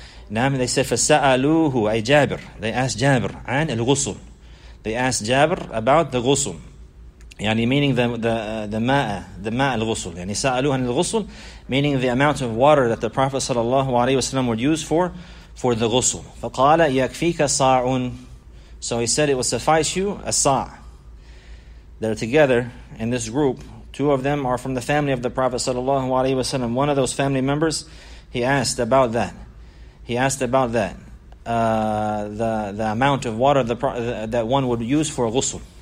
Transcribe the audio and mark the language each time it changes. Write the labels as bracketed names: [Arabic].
[English] Now they said, [Arabic] فَسَأَلُوهُ أَي [English] Jabir. They asked Jabir, [Arabic] عَنْ الْغُسُلُ. [English] They asked Jabir about the ghusl, yani meaning the ma' al-ghusl. [Arabic] Yani sa'aluhu an al-ghusl, [English] meaning the amount of water that the Prophet sallallahu alaihi wasallam would use for the ghusl. [Arabic] فَقَالَ يَكْفِيكَ sa'un. [English] So he said, it will suffice you a sa'. They're together in this group. Two of them are from the family of the Prophet sallallahu alaihi wasallam. One of those family members, he asked about that. He asked about that. The amount of water that one would use for ghusl.